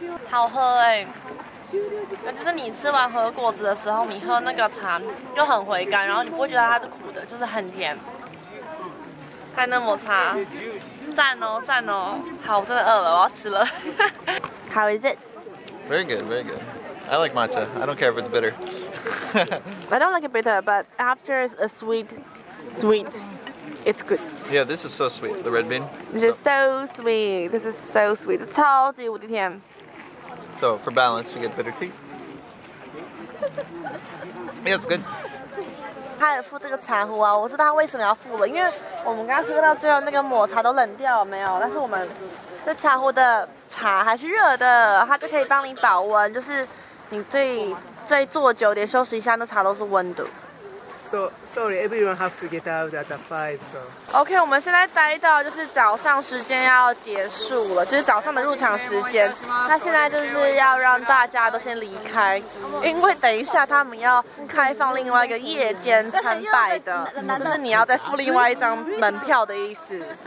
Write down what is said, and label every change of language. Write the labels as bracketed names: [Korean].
[Chinese] 好喝哎、欸。就是你吃完和果子的时候，你喝那个茶就很回甘，然后你不会觉得它是苦的，就是很甜。看那抹茶，赞哦，赞哦。好，我真的饿了，我要吃了。 [English] How is it? Very good, very good. I like matcha. I don't care if it's bitter. I don't like it bitter, but after it's a sweet, sweet, it's good. Yeah, this is so sweet, the red bean. This is so sweet. This is so sweet. [Chinese] 超级无敌甜。 [English] So, for balance, you get bitter tea. Yeah, it's good. [Chinese] 他也附这个茶壶啊，我知道他为什么要附了，因为我们刚刚喝到最后那个抹茶都冷掉了没有，但是我们这茶壶的茶还是热的，它就可以帮你保温，就是你最坐久点休息一下，那茶都是温的。 [English] So sorry, everyone have to get out at 5. So [Chinese] OK, 我们现在待到就是早上时间要结束了，就是早上的入场时间。那现在就是要让大家都先离开，因为等一下他们要开放另外一个夜间参拜的，就是你要再付另外一张门票的意思。